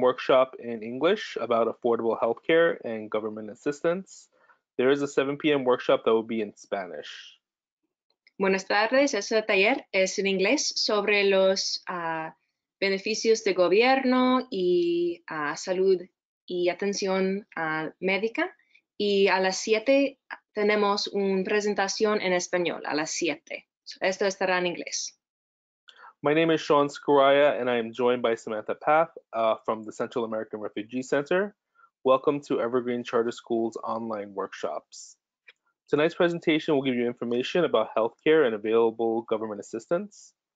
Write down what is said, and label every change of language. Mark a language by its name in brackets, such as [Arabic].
[English] workshop in English about affordable healthcare and government assistance. There is a 7 p.m. workshop that will be in Spanish. [Spanish] Buenas tardes, este taller es en inglés sobre los beneficios de gobierno y salud y atención médica. Y a las 7 tenemos una presentación en español, a las 7. Esto estará en inglés. [English] My name is Sean Scoraya, and I am joined by Samantha Path from the Central American Refugee Center. Welcome to Evergreen Charter School's online workshops. Tonight's presentation will give you information about healthcare and available government assistance.